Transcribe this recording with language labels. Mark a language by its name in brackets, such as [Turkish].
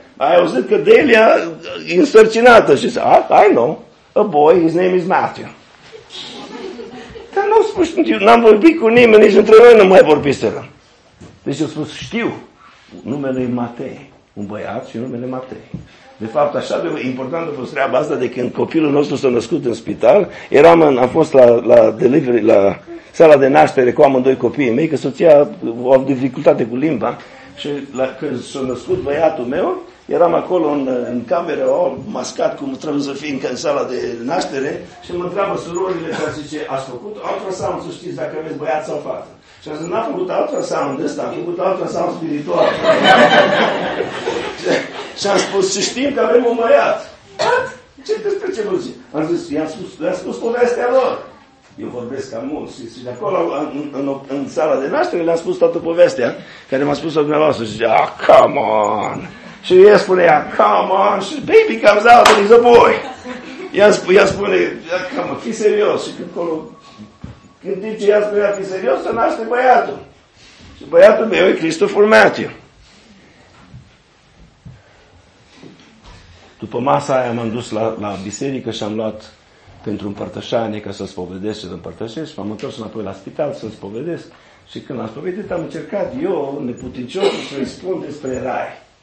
[Romanian] Ai auzit că Delia e însărcinată. Și zice, [English] I know, a boy, his name is Matthew. [Romanian] Dar n-am spus, n-am vorbit cu nimeni, nici între noi nu mai vorbiseră. Deci i-a spus, știu, numele e Matei, un băiat și numele Matei. De fapt, așa de importantă a fost treaba asta de când copilul nostru s-a născut în spital. Am fost la delivery, la sala de naștere cu amândoi copiii mei, că soția a avut dificultate cu limba. Și când s-a născut băiatul meu, eram acolo în cameră, mascat cum trebuie să fie în sala de naștere. Și mă întreabă surorile și zice, ați făcut ultrasound să știți dacă aveți băiat sau fată. Și am zis, n-am făcut ultrasound ăsta, am făcut ultrasound spiritual. Și am spus, să știm că avem un băiat. Ce despre ce vă zic? Am zis, le-am spus povestea lor. Eu vorbesc cam mult. Și de acolo, în sala de naștere, le-am spus toată povestea, care m-a spus-o dumneavoastră. Și zicea, [English] come on! [Romanian] Și el spune, come on! [English] Și baby comes out and he's a boy! [Romanian] I-am spune, [English] come on, [Romanian] fii serios! Și acolo, când zice, i-am spus, fii serios, se naște băiatul. Și băiatul meu e Christopher Matthew. După masa aia m-am dus la biserică și am luat pentru împărtășanie ca să spovedesc și să împărtășesc și m-am întors înapoi la spital să spovedesc și când am spovedit am încercat eu, neputincios, să-i spun despre rai.